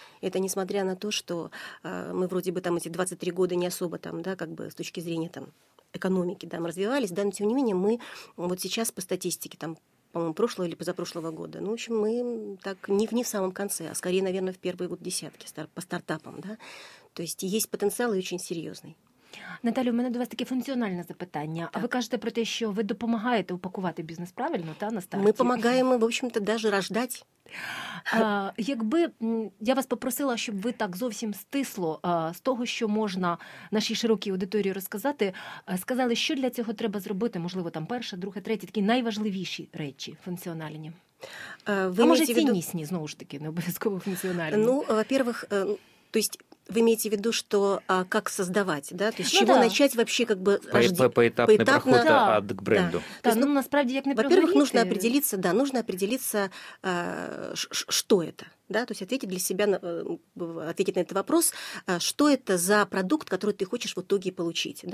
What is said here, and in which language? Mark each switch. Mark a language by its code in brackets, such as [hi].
[ru] Это несмотря на то, что мы вроде бы там эти 23 года не особо там, да, как бы с точки зрения там экономики, да, мы развивались, да, но тем не менее мы вот сейчас по статистике там, по-моему, прошлого или позапрошлого года, ну, в общем, мы так не в самом конце, а скорее, наверное, в первые вот десятки по стартапам, да, то есть есть потенциал и очень серьезный. [uk] Наталю, у мене до вас таке функціональне запитання. Так. А ви кажете про те, що ви допомагаєте упакувати бізнес правильно, та на старті? Ми допомагаємо, [ru] в общем-то, даже [uk] рождати. Якби я вас попросила, щоб ви так зовсім стисло з того, що можна нашій широкій аудиторії розказати, сказали, що для цього треба зробити, можливо, там перше, друге, третє, такі найважливіші речі функціональні. Ви а може ціннісні, ввиду... знову ж таки, не обов'язково функціональні. [ru] Ну, во-первых, то есть вы имеете в виду, что как создавать, да? То есть с чего начать вообще как бы... Поэтапный проход к бренду. Да. Есть, [uk] ну, насправді, як не проговорити. [ru] Во-первых, нужно определиться, да, нужно определиться, что это. Да, то есть ответить для себя, ответить на этот вопрос, что это за продукт, который ты хочешь в итоге получить.